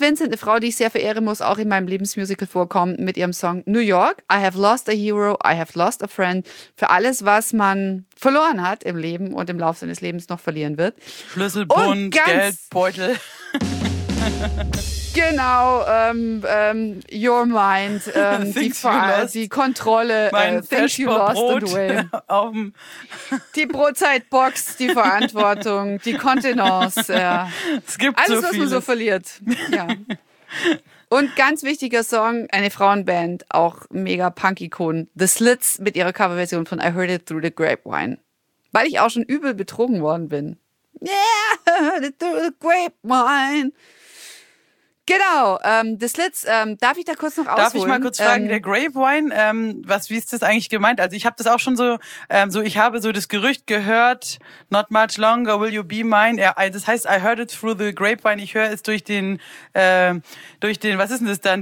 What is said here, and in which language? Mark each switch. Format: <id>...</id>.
<de>Vincent, eine Frau, die ich sehr verehre, muss auch in meinem Lebensmusical vorkommen mit ihrem Song New York.</de> <en>I have lost a hero, I have lost a friend.</en> <de>Für alles, was man verloren hat im Leben und im Laufe seines Lebens noch verlieren wird. Schlüsselbund, Geldbeutel. Genau,</de> <en>your mind,</en> <de>die Kontrolle,</de> <en>things you lost and win.</en> <de>Die Brotzeitbox, die Verantwortung, die Kontenance, es gibt alles, so was man so verliert. Ja. Und ganz wichtiger Song, eine Frauenband, auch mega Punk-Ikon, The Slits mit ihrer Coverversion von I Heard It Through the Grapevine. Weil ich auch schon übel betrogen worden bin.</de> <en>Yeah, I heard it through the grapevine.</en> <de>Genau, The Slits, darf ich da kurz noch ausholen? Darf ich mal kurz fragen, der Grapevine, wie ist das eigentlich gemeint? Also ich habe das auch schon so, ich habe so das Gerücht gehört,</de> <en>not much longer will you be mine.</en> <de>Das heißt,</de> <en>I heard it through the grapevine,</en> <de>ich höre es durch den, was ist denn das dann?</de>